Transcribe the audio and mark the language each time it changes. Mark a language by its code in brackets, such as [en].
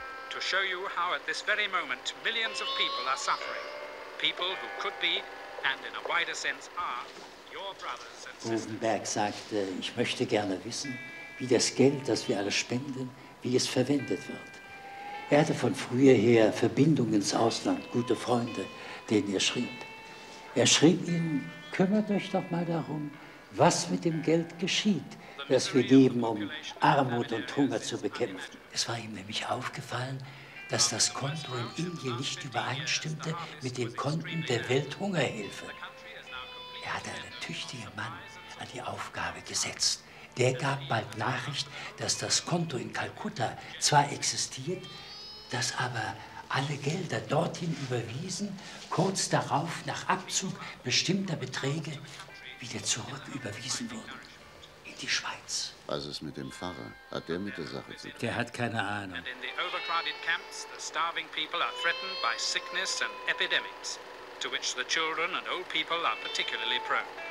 [en] To show you how at this very moment millions of people are suffering. People who could be, and in a wider sense are, your brothers and sisters. [de] Bovenberg sagte, ich möchte gerne wissen, wie das Geld, das wir alle spenden, wie es verwendet wird. Er hatte von früher her Verbindungen ins Ausland, gute Freunde, denen er schrieb. Er schrieb ihnen, kümmert euch doch mal darum, was mit dem Geld geschieht, das wir geben, um Armut und Hunger zu bekämpfen. Es war ihm nämlich aufgefallen, dass das Konto in Indien nicht übereinstimmte mit den Konten der Welthungerhilfe. Er hatte einen tüchtigen Mann an die Aufgabe gesetzt. Der gab bald Nachricht, dass das Konto in Kalkutta zwar existiert, dass aber alle Gelder dorthin überwiesen, kurz darauf nach Abzug bestimmter Beträge wieder zurück überwiesen wurden. In die Schweiz. Was ist mit dem Pfarrer? Hat der mit der Sache zu tun? Der hat keine Ahnung. [en] In the overcrowded camps, the starving people are threatened by sickness and epidemics, to which the children and old people are particularly prone.